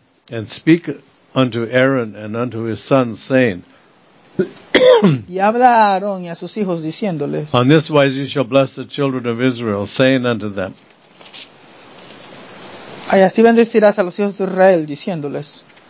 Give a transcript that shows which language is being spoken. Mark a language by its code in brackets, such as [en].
[en] And speak unto Aaron and unto his sons, saying, [es] y habla a Aarón y a sus hijos diciéndoles, [en] on this wise you shall bless the children of Israel, saying unto them, [es] y así bendecirás a los hijos de Israel, diciéndoles,